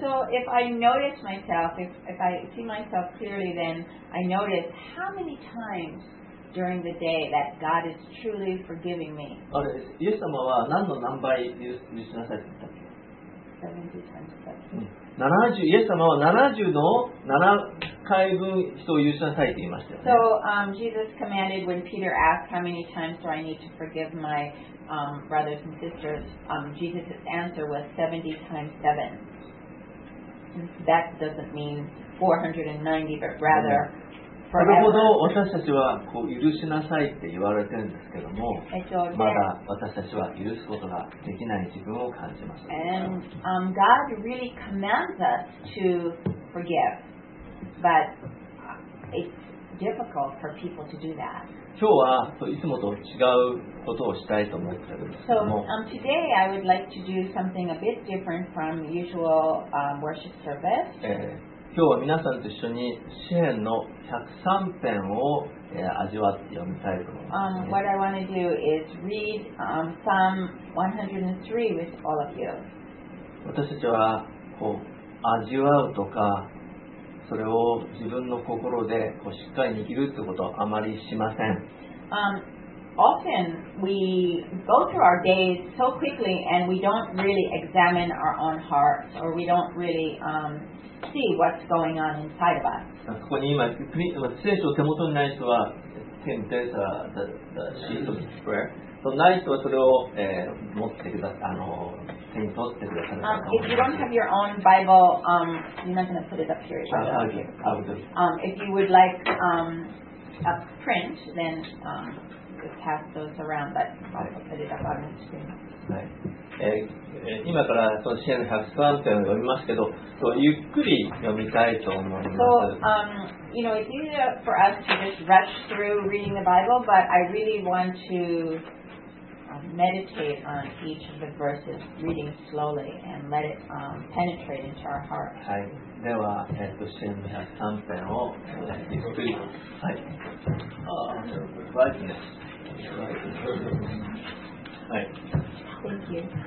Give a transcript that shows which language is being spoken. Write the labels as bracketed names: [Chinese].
[English] So if I notice myself, if I see myself clearly, then I notice how many times during the day that God is truly forgiving me. [Japanese] あれ、イエス様は何の何倍許しなさいって言ったっけ [English] ？70 times 7. [Japanese] イエス様は70の7回分人を許しなさいと言いましたよ、ね。 [English] So, Jesus commanded when Peter asked how many times do I need to forgive my brothers and sisters, Jesus' answer was 70 times 7. That doesn't mean 490, but rather forever. [Japanese] なるほど、私たちはこう許しなさいって言われてるんですけども、まだ私たちは許すことができない自分を感じます。 [English] And God really commands us to forgive. But it's difficult for people to do that. [Japanese] 今日はいつもと違うことをしたいと思っているんですけども。 [English] So, today I would like to do something a bit different from usual worship service. [Japanese] 今日は皆さんと一緒に詩篇の103篇を、味わって読みたいと思います、ね。 [English] What I want to do is read Psalm 103 with all of you. [Japanese] 私たちはこう味わうとかそれを自分の心でこうしっかり握るってことはあまりしません。 [English] Often we go through our days so quickly and we don't really examine our own hearts or we don't really see what's going on inside of us. [Japanese] ここに今聖書を手元にない人は手に出た [English] the sheet of prayer。 [Japanese] そない人はそれを、持ってください。手に取ってください。 [English] If you don't have your own Bible, you're not going to put it up here. Okay, I'll do it. If you would like a print, then just pass those around, but I'll put it up on the screen. [Japanese] はい。今からその詩篇103篇を読みますけど、ゆっくり読みたいと思います。 [English] So, you know, it's easier for us to just rush through reading the Bible, but I really want to meditate on each of the verses, reading slowly, and let it penetrate into our heart. [Japanese] はい。では、詩篇103篇をゆっくり。はい。 [English] Brightness. [Japanese] はい。